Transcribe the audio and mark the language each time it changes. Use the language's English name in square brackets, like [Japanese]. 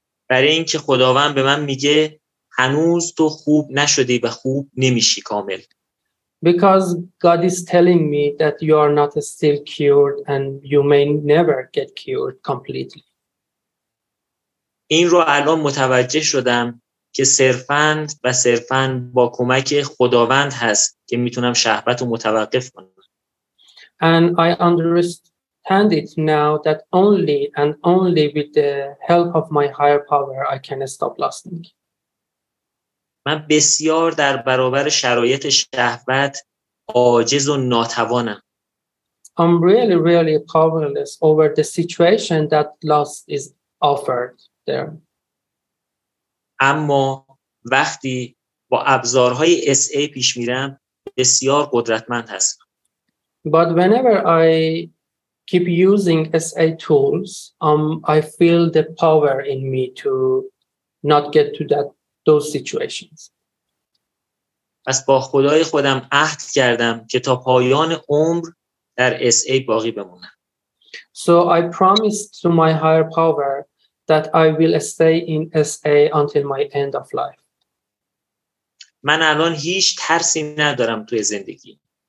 [Persian] برای اینکه خداوند به من میگه هنوز تو خوب نشدی و خوب نمیشی کامل. [English] Because God is telling me that you are not still cured and you may never get cured completely. [Persian] این رو الان متوجه شدم که صرفاً و صرفاً با کمک خداوند هست که میتونم شهوت رو متوقف کنم. [English] And I understand it now that only and only with the help of my higher power I can stop lusting. [Persian] من بسیار در برابر شرایط شهوت عاجز و ناتوانم. [English] I'm really really powerless over the situation that lust is offered there. [Persian] اما وقتی با ابزارهای SA پیش میرم بسیار قدرتمند هستم. [English] But whenever I keep using SA tools, I feel the power in me to not get to those situations. [Persian] پس با خدای خودم عهد کردم که تا پایان عمر در SA باقی بمونم. [English] So I promised to my higher power that I will stay in SA until my end of life. [Persian] من الان هیچ ترسی ندارم توی زندگی.